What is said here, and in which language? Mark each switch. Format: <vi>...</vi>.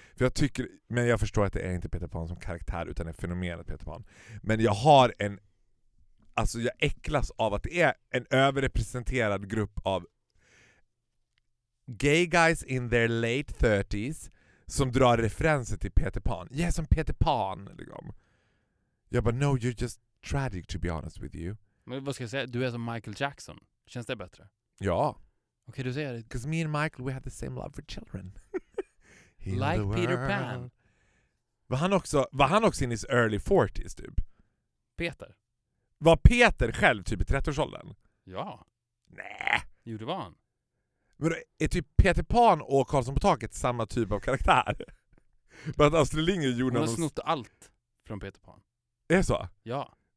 <sv>För jag tycker, men jag förstår att det är inte Peter Pan som karaktär utan är fenomenet Peter Pan. Men jag har en... Alltså jag äcklas av att det är en överrepresenterad grupp av</sv> <en>gay guys in their late 30s</en> <sv>som drar referenser till Peter Pan.</sv> <en>Yeah,</en> <sv>som Peter Pan. Liksom. Jag bara,</sv> <en>no, you're just tragic to be honest with you.</en> <sv>Men vad ska jag säga? Du är som Michael Jackson. Känns det bättre? Ja. Okej, okay, du säger det.</sv> <en>Because me and Michael, we have the same love for children. Like Peter Pan.</en> <sv>Var han också</sv> <en>in his early 40s</en> <sv>typ? Peter. Var Peter själv typ i 30-årsåldern? Ja. Nej. Jo, det var han. Men är typ Peter Pan och Karlsson på taket samma typ av karaktär? Bara att Astrid Lindgren gjorde någon... Hon har snott allt från Peter Pan. Är det så? Ja.</sv>